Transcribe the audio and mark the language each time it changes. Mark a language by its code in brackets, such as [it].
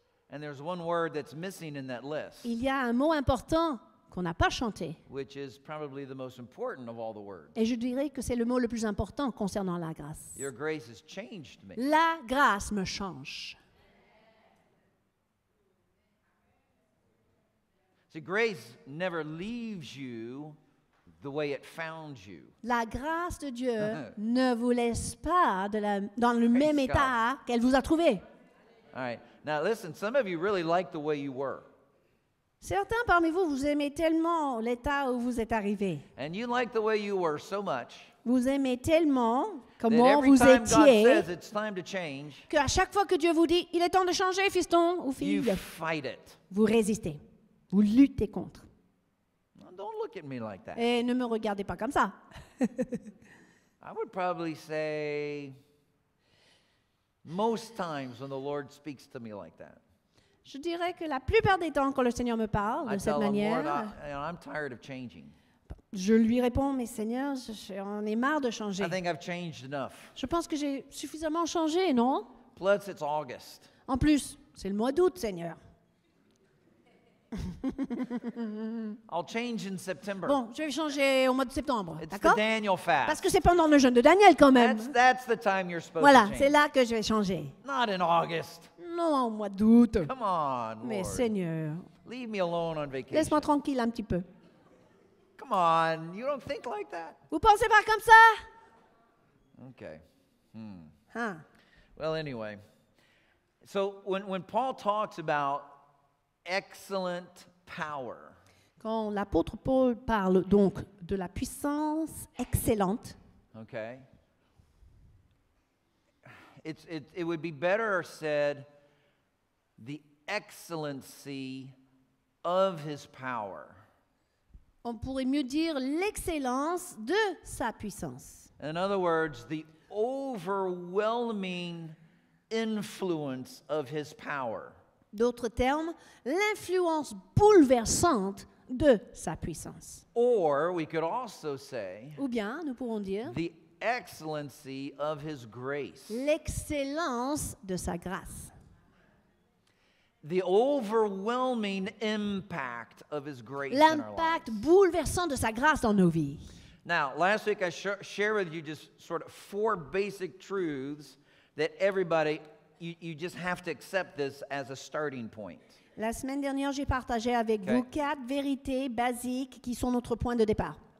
[en] And there's one word that's missing in that list. [fr] Il y a un mot important qu'on n'a pas chanté. [en] Which is probably the most important of all the words. [fr] Et je dirais que c'est le mot le plus important concernant la grâce. [en] Your grace has changed me. [fr] La grâce me change. [en] See, grace never leaves you the way it found you. [fr] La grâce de Dieu ne vous laisse pas dans le même état qu'elle vous a trouvé. [en] All right. Now listen, some of you really like the way you were. [fr] Certains parmi vous, vous aimez tellement l'état où vous êtes arrivé. [en] And you like the way you were so much. [fr] Vous aimez tellement comment vous étiez. [en] God says it's time to change. [fr] Que à chaque fois que Dieu vous dit, il est temps de changer, fiston ou fille. [en] You fight it. [fr] Vous résistez. Vous luttez contre. [en] Don't look at me like that. [fr] Et ne me regardez pas comme ça. [en] I would probably say most times when the Lord speaks to me like that. [fr] Je dirais que la plupart des temps quand le Seigneur me parle de cette manière, [en] I'm tired of changing. [fr] Je lui réponds, mais Seigneur, on est marre de changer. [en] I think I've changed enough. [fr] Je pense que j'ai suffisamment changé, non? [en] Plus, it's August. [fr] En plus, c'est le mois d'août, Seigneur. [en] I'll change in September. [fr] Bon, je vais changer au mois de septembre, [en] it's [fr] d'accord? [en] The Daniel fast. [fr] Parce que c'est pendant le jeûne de Daniel quand même. [en] That's the time you're supposed [fr] voilà, [en] to change. [fr] C'est là que je vais changer. [en] Not in August. [fr] Non, au mois d'août. [en] Come on, [fr] mais [en] Lord. [fr] Seigneur. [en] Leave me alone on vacation. [fr] Laisse-moi tranquille un petit peu. [en] Come on, you don't think like that. [fr] Vous pensez pas comme ça? [en] Okay. Hmm. Huh. Well, anyway. So when Paul talks about excellent power. [fr] Quand l'apôtre Paul parle donc de la puissance excellente. [en] Okay. It would be better said the excellency of his power. [fr] On pourrait mieux dire l'excellence de sa puissance. [en] In other words, the overwhelming influence of his power. [fr] D'autres termes, l'influence bouleversante de sa puissance. [en] Or, we could also say, [fr] ou bien, nous pourrons dire, [en] the excellency of his grace. [fr] L'excellence de sa grâce. [en] The overwhelming impact of his grace. [fr] L'impact [en] in our [fr] bouleversant De sa grâce dans nos vies. [en] Now, last week I shared with you just sort of four basic truths that everybody. You just have to accept this as a starting point. [fr] La semaine dernière, j'ai partagé avec okay. vous quatre vérités basiques qui sont notre point de départ.